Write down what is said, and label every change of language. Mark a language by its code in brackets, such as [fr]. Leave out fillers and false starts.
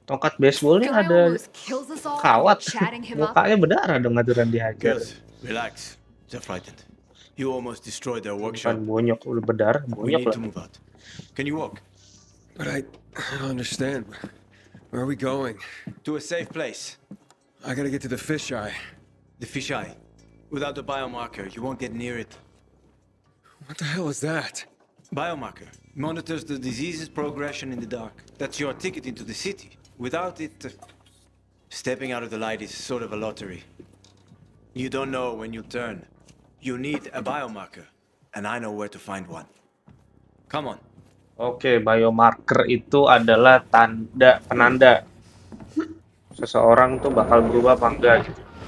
[id] Tongkat baseball ini ada kawat. Mukanya berdarah dong aturan dihajar. [en] Girls, relax. They're frightened. You almost destroyed their workshop. [id] Bukan bonyok, udah berdarah. Bonyok [en] lah. We need to move out. Can you walk? But I don't understand. Where are we going? To a safe place. I gotta get to the fisheye. The fisheye. Without the biomarker, you won't get near it. What the hell is that? Biomarker. Monitors the disease's progression in the dark. That's your ticket into the city. Without it, stepping out of the light is sort of a lottery. You don't know when you'll turn. You need a biomarker. And I know where to find one. Come on. [id] Oke, biomarker itu adalah tanda penanda seseorang tuh bakal berubah apa enggak gitu.